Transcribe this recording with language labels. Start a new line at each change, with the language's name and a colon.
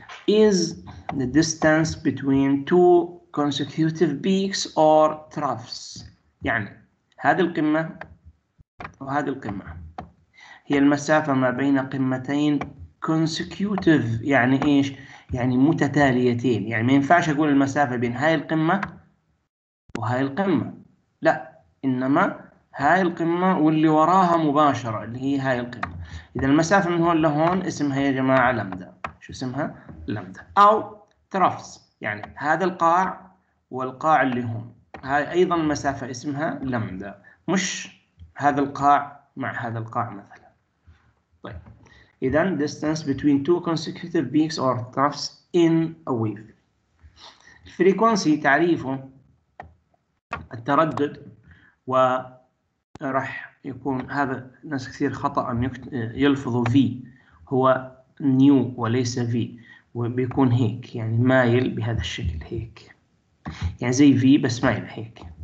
Arabic: is the distance between two consecutive peaks or troughs، يعني هذه القمة وهذه القمة هي المسافة ما بين قمتين consecutive، يعني إيش؟ يعني متتاليتين، يعني ما ينفعش أقول المسافة بين هاي القمة وهاي القمة، لا، إنما هاي القمة واللي وراها مباشرة اللي هي هاي القمة. إذا المسافة من هون لهون اسمها يا جماعة لمدة، شو اسمها؟ لمدة. أو troughs يعني هذا القاع والقاع اللي هون، هاي أيضا مسافة اسمها لمدة، مش هذا القاع مع هذا القاع مثلا.
English: طيب إذا distance between two consecutive peaks or troughs in a wave.
Arabic: الفريكوانسي تعريفه التردد، وراح يكون هذا ناس كثير خطأ أن يلفظوا V، هو نيو وليس V، وبيكون هيك يعني مايل بهذا الشكل هيك، يعني زي V بس ما يلا هيك،